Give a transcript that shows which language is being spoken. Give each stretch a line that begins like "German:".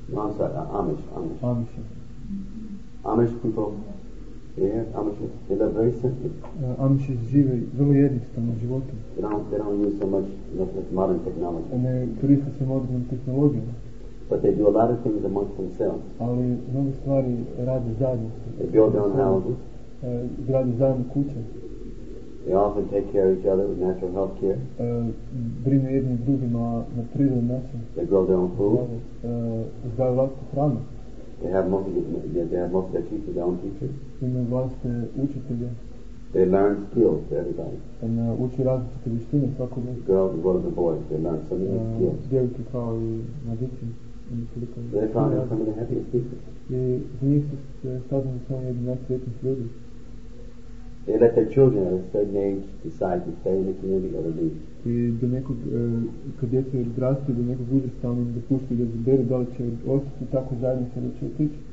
English: No, I'm sorry, Amish. Amish. Amish people. Yeah, Amishes, they live very simply.
Croatian: Amishes žive vrlo jednostavno životom.
English: They don't use so much modern technology.
Croatian: Ne koriste se modernim tehnologijama.
English: But they do a lot of things amongst themselves.
Croatian: Ali mnogo stvari rade zajedno.
English: They build their own houses.
Croatian: Grade zajedno kuće.
English: They often take care of each other with natural health care.
Croatian: Brinu jedni drugima na prirodan način.
English: They grow their own food.
Croatian: Uzgajaju vlastitu hranu.
English: They have most of their teachers, their own teachers.
Croatian: Imaju vlastite učitelje.
English: They learn skills for everybody.
Croatian: And uči različite vištine svako dne.
English: Girls as well as the boys, they learn so many skills.
Croatian: Djevojke kao i mladići.
English: They found some of the happiest people.
Croatian: I za njih se saznali samo jedni najsretniji ljudi.
English: They let their children at a certain age decide to stay in the community or leave.
Croatian: I do nekog kad djeca odrastu do nekog uzrasta oni dopuštaju da izaberu da li će ostati tako zajedno sa njima otići.